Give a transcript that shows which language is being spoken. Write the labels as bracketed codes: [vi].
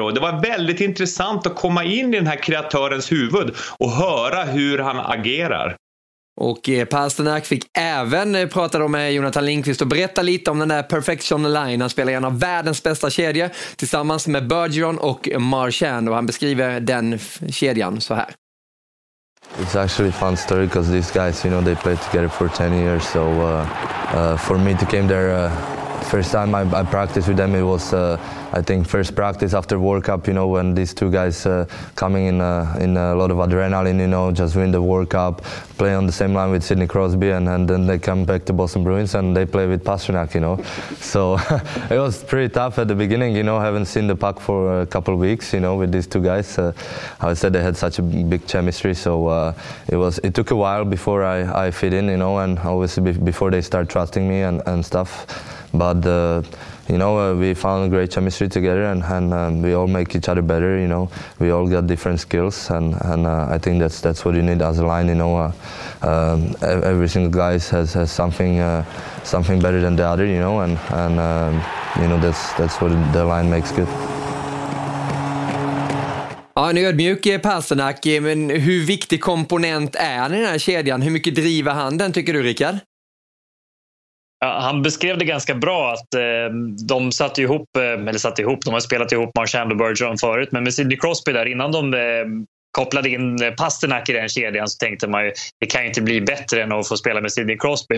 [sv] Och det var väldigt intressant att komma in i den här kreatörens huvud och höra hur han agerar. Och Pasternak fick även prata då med Jonathan Lindqvist och berätta lite om den där Perfection Line. Han spelar en av världens bästa kedjor tillsammans med Bergeron och Marchand, och han beskriver den kedjan så här. [en] It's actually a fun story because these guys, you know, they played together for 10 years. So for me to came there first time I practiced with them, it was I think first practice after World Cup, you know, when these two guys coming in a lot of adrenaline, you know, just win the World Cup, play on the same line with Sidney Crosby, and then they come back to Boston Bruins and they play with Pasternak, you know. So it was pretty tough at the beginning, you know, haven't seen the puck for a couple of weeks, you know, with these two guys. I said they had such a big chemistry, so it took a while before I fit in, you know, and obviously before they start trusting me and stuff. But you know, we found a great chemistry together, and we all make each other better. You know, we all got different skills, and I think that's what you need as a line. You know, every single guy has something better than the other. You know, and you know that's what the line makes good. [sv] Ja, en ödmjuk Pasternak, men hur viktig komponent är han i den här kedjan? Hur mycket driver han den, tycker du, Rickard? Ja, han beskrev det ganska bra att de satt ihop, eller satt ihop, de har spelat ihop Marchand och Bergeron förut, men med Sidney Crosby där innan de kopplade in Pasternak i den kedjan, så tänkte man ju, det kan ju inte bli bättre än att få spela med Sidney Crosby.